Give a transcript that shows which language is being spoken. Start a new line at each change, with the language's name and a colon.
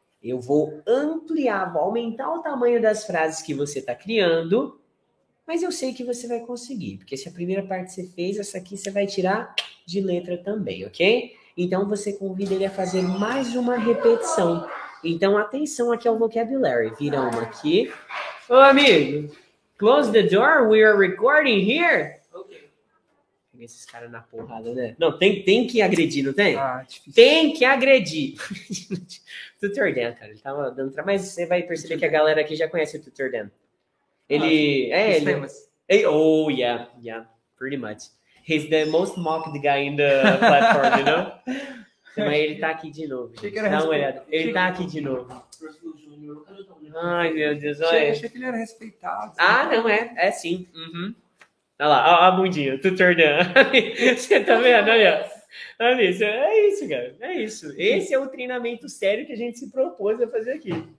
Portuguese: Eu vou ampliar, vou aumentar o tamanho das frases que você está criando. Mas eu sei que você vai conseguir, porque se a primeira parte você fez, essa aqui você vai tirar de letra também, ok? Então você convida ele a fazer mais uma repetição. Então atenção aqui ao vocabulary. Vira uma aqui. Ô amigo,
English: close the door, we are recording here.
Portuguese: Ok. Peguei esses caras na porrada, né? Não, tem que agredir, não tem? Ah, difícil. Tem que agredir. Tutor Dan, cara, ele tava dando trabalho, mas você vai perceber que a galera aqui já conhece o Tutor Dan. Ele, ah, é, ele é,
English: oh, yeah, yeah, pretty much. He's the most mocked guy in the platform, you know?
Portuguese: Mas ele tá aqui de novo, gente. Dá uma olhada. Ele tá aqui de novo. Ai, meu Deus, olha. Achei que ele era respeitado. Ah, não, é, é sim. Uhum. Olha lá, olha a bundinha, Tutor Dan. Você tá vendo, olha. Olha, é isso, cara, é isso. Esse é o treinamento sério que a gente se propôs a fazer aqui.